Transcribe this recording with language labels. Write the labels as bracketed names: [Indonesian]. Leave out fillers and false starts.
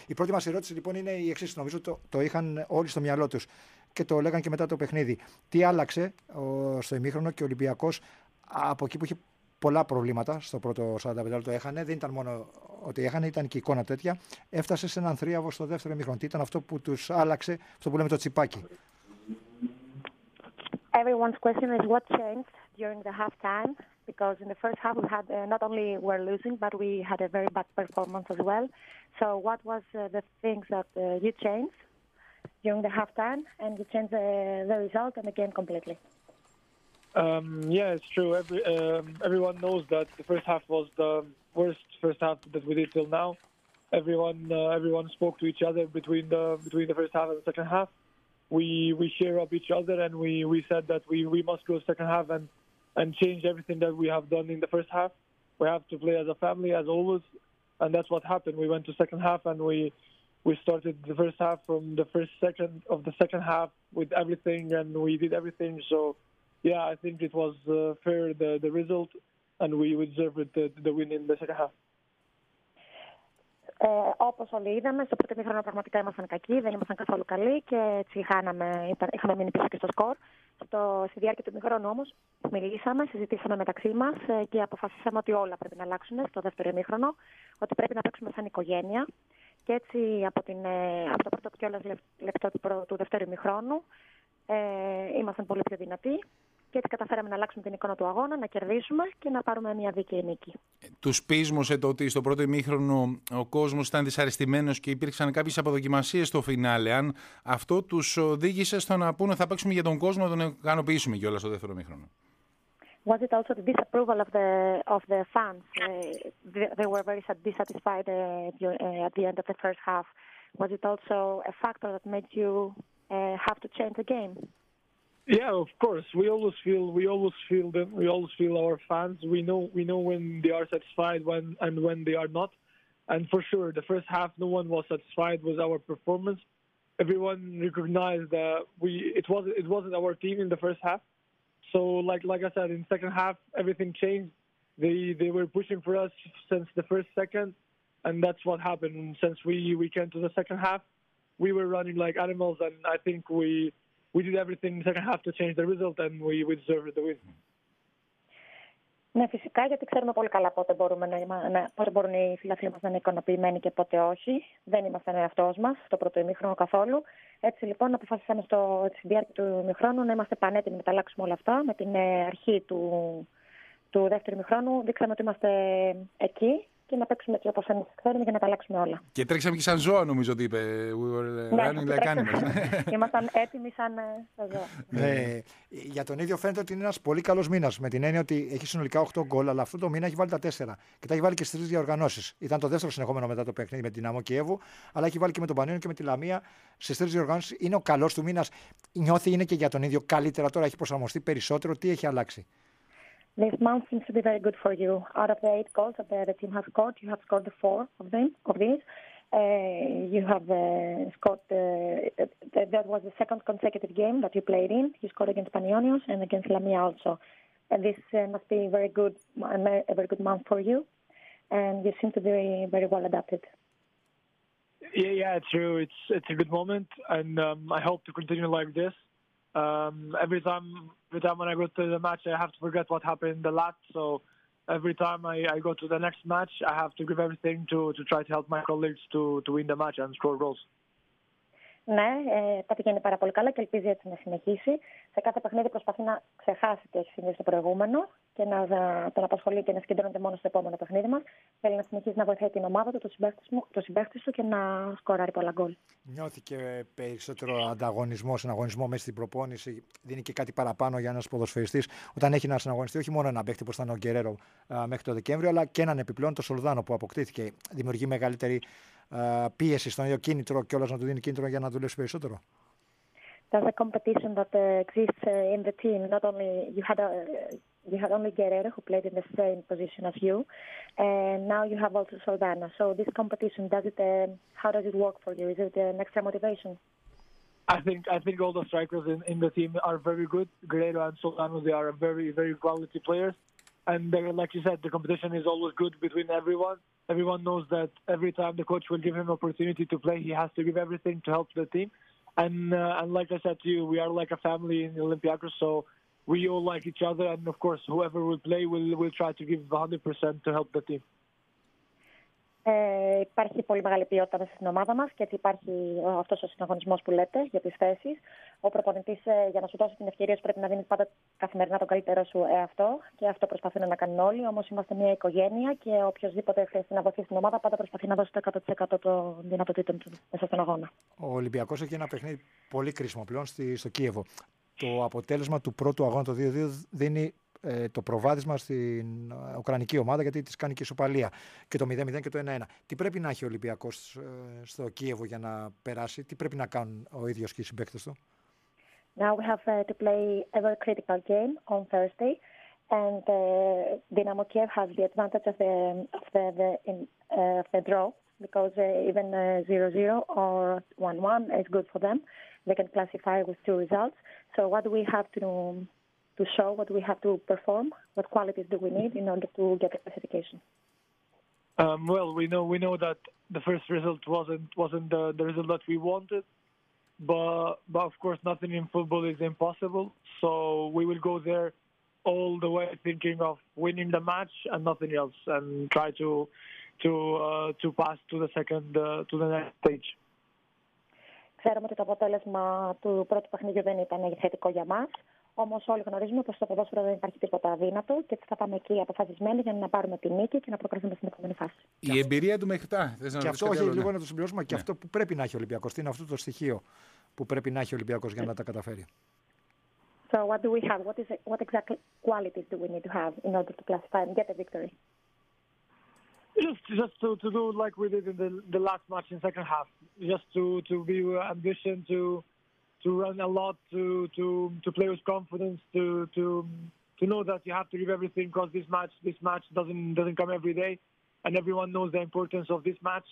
[Greek] Η πρώτη μας ερώτηση λοιπόν είναι η εξής. Νομίζω το είχαν όλοι στο μυαλό τους και το λέγαν και μετά το παιχνίδι. Τι άλλαξε στο ημίχρονο και ο Ολυμπιακός από εκεί που είχε πολλά προβλήματα στο πρώτο 45 λεπτό έχανε, δεν ήταν μόνο ότι έχανε, ήταν και η εικόνα τέτοια. Έφτασε σε έναν θρίαβο στο δεύτερο ημίχρονο. Τι ήταν αυτό που τους άλλαξε, αυτό που λέμε το τσιπάκι? [English] Everyone's question is what changed during the halftime, because in the first half we had not only were losing, but we had a very bad performance as well. So what was the things that you changed during the halftime and you changed the result and the game completely? Yeah, it's true. Everyone knows that the first half was the worst first half that we did till now. Everyone spoke to each other between the first half and the second half. We share up each other and we said that we must go second half and change everything that we have done in the first half. We have to play as a family as always, and that's what happened. We went to second half and we started the first half from the first second of the second half with everything, and we did everything. So yeah, I think it was fair the result, and we deserved the win in the second half. [Greek] Όπως όλοι είδαμε, στο πρώτο ημίχρονο πραγματικά ήμασταν κακοί, δεν ήμασταν καθόλου καλοί και έτσι είχαμε μείνει πίσω και στο σκορ. Στη διάρκεια του ημίχρονου όμως, μιλήσαμε, συζητήσαμε μεταξύ μας και αποφασίσαμε ότι όλα πρέπει να αλλάξουν στο δεύτερο ημίχρονο, ότι πρέπει να παίξουμε σαν οικογένεια. Και έτσι από το πρώτο και όλες λεπτό του δεύτερου ημίχρονου, ήμασταν πολύ πιο δυνατοί. Και έτσι καταφέραμε να αλλάξουμε την εικόνα του αγώνα, να κερδίσουμε και να πάρουμε μια δίκαιη νίκη. Τους πείσμωσε το ότι στο πρώτο ημίχρονο ο κόσμος ήταν δυσαρεστημένος και υπήρξαν κάποιες αποδοκιμασίες στο φινάλε. Αν αυτό τους οδήγησε στο να πούνε θα παίξουμε για τον κόσμο, να τον ικανοποιήσουμε κιόλας στο δεύτερο ημίχρονο. [English] Was it also the disapproval of the fans? They were very dissatisfied at the end of the first half. Was it also a factor that made you have to change the game? Yeah, of course. We always feel them. We always feel our fans. We know when they are satisfied and when they are not. And for sure, the first half, no one was satisfied with our performance. Everyone recognized that it wasn't our team in the first half. So like I said, in the second half, everything changed. They were pushing for us since the first second, and that's what happened. Since we came to the second half, we were running like animals, and I think we did everything in the second half to change the result and we deserve the win. [Greek] Ναι, φυσικά, γιατί ξέρουμε πολύ καλά πότε μπορούν οι φιλαθλοί μας να είναι ικανοποιημένοι και πότε όχι. Δεν είμαστε ένα εαυτός μας στο πρώτο ημίχρονο καθόλου. Έτσι λοιπόν, αποφασίσαμε στη διάρκεια του ημίχρονου να είμαστε πανέτοιμοι να μεταλλάξουμε όλα αυτά. Με την αρχή του δεύτερου ημίχρονου δείξαμε ότι είμαστε εκεί και να παίξουμε και όπως θέλουμε για να τα αλλάξουμε όλα. Και τρέξαμε και σαν ζώα, νομίζω ότι είπε. [English] We were running like animals. [Greek] Ήμασταν έτοιμοι σαν ζώα. Για τον ίδιο φαίνεται ότι είναι ένας πολύ καλός μήνας, με την έννοια ότι έχει συνολικά 8 γκολ, αλλά αυτό το μήνα έχει βάλει τα 4. Και τα έχει βάλει και στις 3 διοργανώσεις. Ήταν το δεύτερο συνεχόμενο μετά το παιχνίδι με την Δυναμό Κιέβου, αλλά έχει βάλει και με τον Πανιόνιο και με τη Λαμία στις 3 διοργανώσεις. Είναι ο καλός του μήνας. Νιώθει είναι και για τον ίδιο καλύτερα τώρα, έχει προσαρμοστεί περισσότερο. Τι έχει αλλάξει? [English] This month seems to be very good for you. Out of the 8 goals that the team has scored, you have scored the 4 of them. Of these, you have scored that was the second consecutive game that you played in. You scored against Panionios and against Lamia also. And this must be a very good month for you. And you seem to be very, very well adapted. Yeah, true. It's a good moment, and I hope to continue like this. Every time when I go to the match, I have to forget what happened in the last. So every time I go to the next match, I have to give everything to try to help my colleagues to win the match and score goals. [Greek] Ναι, τα πηγαίνει πάρα πολύ καλά και ελπίζει έτσι να συνεχίσει. Σε κάθε παιχνίδι προσπαθεί να ξεχάσει τι έχει συμβεί στο προηγούμενο και να τον απασχολεί και να συγκεντρώνεται μόνο στο επόμενο παιχνίδι μας. Θέλει να συνεχίσει να βοηθάει την ομάδα του, τον συμπαίχτη του και να σκοράρει πολλά γκολ. Νιώθηκε περισσότερο ανταγωνισμό, συναγωνισμό μέσα στην προπόνηση. Δίνει και κάτι παραπάνω για ένας ποδοσφαιριστής όταν έχει να συναγωνιστεί όχι μόνο ένα παίχτη που ήταν ο Γκερέρο μέχρι το Δεκέμβριο, αλλά και έναν επιπλέον, το Σολδάνο που αποκτήθηκε. Δημιουργεί μεγαλύτερη πίεση στον ίδιο κίνητρο και όλα να του δίνει κίνητρο για να δουλέψει περισσότερο. [English] That's a competition that exists in the team. Not only you had only Guerrero who played in the same position as you, and now you have also Soldano. So this competition, does it, how does it work for you? Is it an extra motivation? I think all the strikers in the team are very good. Guerrero and Soldano, they are very very quality players. And they, like you said, the competition is always good between everyone. Everyone knows that every time the coach will give him opportunity to play, he has to give everything to help the team. And like I said to you, we are like a family in Olympiacos, so we all like each other. And of course, whoever will play will try to give 100% to help the team. [Greek] Υπάρχει πολύ μεγάλη ποιότητα μέσα στην ομάδα μας και υπάρχει αυτός ο συναγωνισμός που λέτε για τις θέσεις. Ο προπονητής για να σου δώσει την ευκαιρία σου πρέπει να δίνει πάντα καθημερινά τον καλύτερό σου εαυτό και αυτό προσπαθούν να κάνουν όλοι. Όμως είμαστε μια οικογένεια και οποιοδήποτε χρειαστεί να βοηθήσει στην ομάδα πάντα προσπαθεί να δώσει το 100% των δυνατοτήτων του μέσα στον αγώνα. Ο Ολυμπιακός έχει ένα παιχνίδι πολύ κρίσιμο πλέον στο Κίεβο. Το αποτέλεσμα του πρώτου αγώνα το 2-2 δίνει το προβάδισμα στην Ουκρανική ομάδα γιατί της κάνει και ισοπαλία και το 0-0 και το 1-1. Τι πρέπει να έχει ο Ολυμπιακός στο Κίεβο για να περάσει, τι πρέπει να κάνουν ο ίδιος και οι συμπαίκτες του? [English] Now we have to play a very critical game on Thursday and Dynamo Kiev has the advantage of the draw because even 0-0 or 1-1 is good for them. They can classify with two results. So what do we have to show what we have to perform, what qualities do we need in order to get the classification? Well, we know that the first result wasn't the result that we wanted, but of course nothing in football is impossible. So we will go there all the way thinking of winning the match and nothing else, and try to pass to the second to the next stage. [Greek] Ξέρουμε ότι το αποτέλεσμα του πρώτου παιχνιδιού δεν ήταν θετικό για μας. Όμως όλοι γνωρίζουμε πως στο ποδόσφαιρο δεν υπάρχει τίποτα αδύνατο και θα πάμε εκεί αποφασισμένοι για να πάρουμε τη νίκη και να προκριθούμε στην επόμενη φάση. Η εμπειρία του μέχρι τα. Και αυτό όχι, λίγο να το συμπληρώσουμε, και αυτό που πρέπει να έχει ο Ολυμπιακός. Τι είναι αυτό το στοιχείο που πρέπει να έχει ο Ολυμπιακός για να τα καταφέρει? [English] So what do we have? What exact qualities do we need to have in order to classify and get a victory? Just to do like we did in the last match in second half. Just to be ambition to run a lot, to play with confidence, to know that you have to give everything because this match doesn't come every day, and everyone knows the importance of this match.